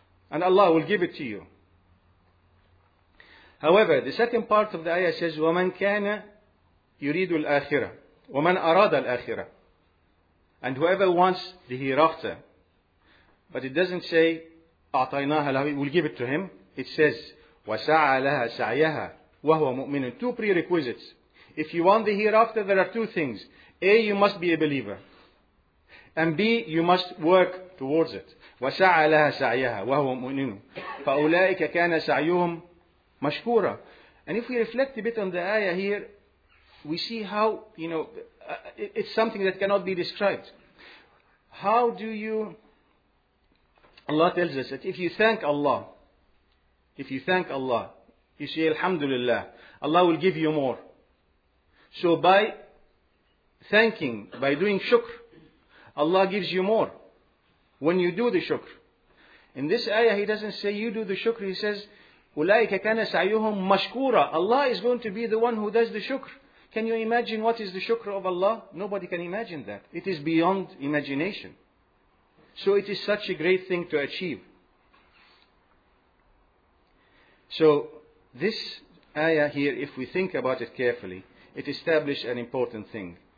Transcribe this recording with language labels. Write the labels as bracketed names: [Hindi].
[English] And Allah will give it to you. However, the second part of the ayah says, [Arabic] وَمَنْ كَانَ يُرِيدُ الْآخِرَةِ وَمَنْ أَرَادَ الْآخِرَةِ. [English] And whoever wants the hereafter. But it doesn't say, [Arabic] أَعْطَيْنَاهَ لَهُ, [English] we'll give it to him. It says, [Arabic] وَسَعَى لَهَا سَعْيَهَا وَهُوَ مُؤْمِنٌ. [English] Two prerequisites. If you want the hereafter, there are two things. A, you must be a believer. And B, you must work towards it. [Arabic] وَسَعَى لَهَا سَعْيَهَا وَهُوَ مُؤْمِنٌ. فَأُولَٰئِكَ كَانَ سَعْيُهُمْ مَشْكُورًا. [English] And if we reflect a bit on the ayah here, we see how, you know, it's something that cannot be described. How do you, Allah tells us that if you thank Allah, if you thank Allah, you say, Alhamdulillah, Allah will give you more. So by thanking, by doing shukr, Allah gives you more. When you do the shukr. In this ayah, He doesn't say you do the shukr. He says, [Arabic] أُولَٰئِكَ كَانَ سَعْيُهُمْ مَشْكُورًا. [English] Allah is going to be the one who does the shukr. Can you imagine what is the shukr of Allah? Nobody can imagine that. It is beyond imagination. So it is such a great thing to achieve. So this ayah here, if we think about it carefully, it establishes an important thing.